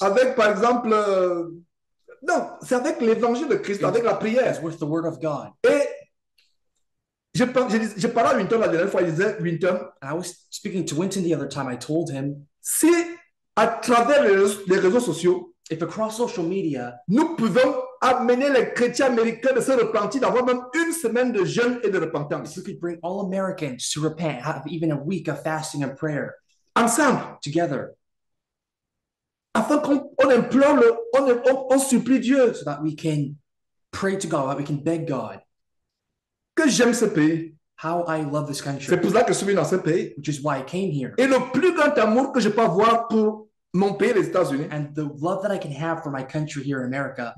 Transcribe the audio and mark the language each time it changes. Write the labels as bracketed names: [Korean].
[French] Avec, par exemple, non, c'est avec l'évangile de Christ, avec la prière. [English] With the word of God. [French] Et je parlais à Winton la dernière fois, il disait, Winton. [English] And I was speaking to Winton the other time, I told him. [French] Si à travers les réseaux sociaux, [English] if across social media, [French] nous pouvons amener les chrétiens américains de se repentir, d'avoir même une semaine de jeûne et de repentance. [English] If we could bring all Americans to repent, have even a week of fasting and prayer. [French] Ensemble. [English] Together. [French] Afin qu'on implore, on supplie Dieu. [English] So that we can pray to God, that we can beg God. [French] Que j'aime ce pays. [English] How I love this country. [French] C'est pour ça que je suis dans ce pays. [English] Which is why I came here. [French] Et le plus grand amour que je peux avoir pour mon pays, les États-Unis. [English] And the love that I can have for my country here in America.